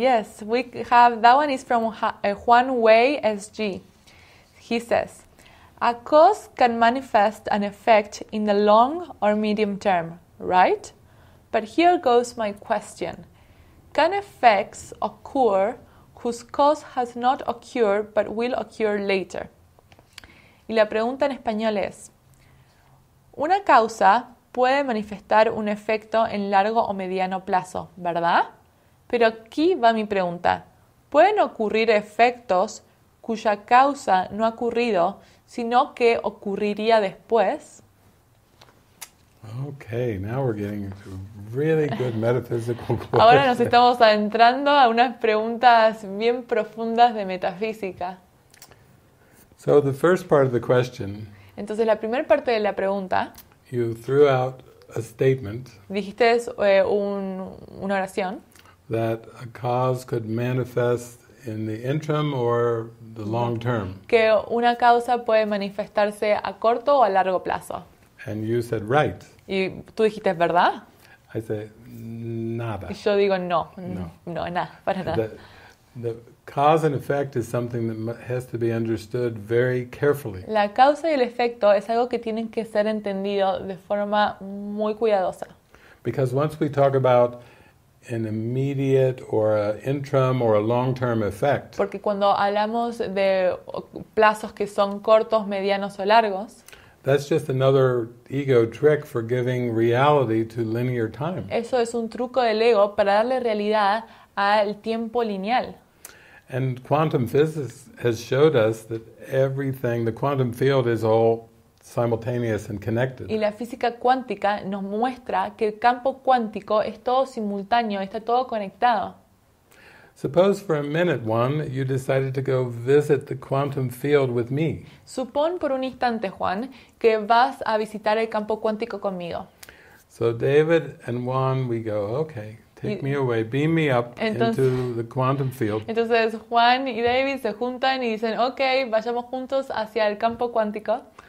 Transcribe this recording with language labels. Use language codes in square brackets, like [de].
[en] Yes, we have that one. Is from Juan Wei SG. He says. A cause can manifest an effect in the long or medium term, right? But here goes my question. Can effects occur whose cause has not occurred but will occur later? [es] Y la pregunta en español es, una causa puede manifestar un efecto en largo o mediano plazo, ¿verdad? Pero aquí va mi pregunta. ¿Pueden ocurrir efectos cuya causa no ha ocurrido, sino que ocurriría después? [en] Okay, now we're getting into really good metaphysical questions. [es] Ahora nos estamos adentrando a unas preguntas bien profundas de metafísica. [en] So the first part of the question. [es] Entonces la primera parte de la pregunta. [en] You threw out a statement. [es] Dijiste una oración. [en] That a cause could manifest in the interim or the long term. [es] Que una causa puede manifestarse a corto o a largo plazo. [en] And you said right. [es] Y tú dijiste verdad. [en] I said nada. [es] Y yo digo no. No, nada, para nada. [en] The cause and effect is something that has to be understood very carefully. [es] La causa y el efecto es algo que tienen que ser entendido de forma muy cuidadosa. [en] Because once we talk about an immediate or an interim or a long-term effect. [es] Porque cuando hablamos de plazos que son cortos, medianos o largos. [en] That's just another ego trick for giving reality to linear time. [es] Eso es un truco del ego para darle realidad al tiempo lineal. [en] And quantum physics has showed us that everything, the quantum field is all simultaneous and connected. [es] Y la física cuántica nos muestra que el campo cuántico es todo simultáneo, está todo conectado. [en] Suppose for a minute, Juan, you decided to go visit the quantum field with me. [es] Supón por un instante, Juan, que vas a visitar el campo cuántico conmigo. [en] So David and Juan, we go, okay, take me away, beam me up into the quantum field. [es] Entonces Juan y David se juntan y dicen, okay, vayamos juntos hacia el campo cuántico.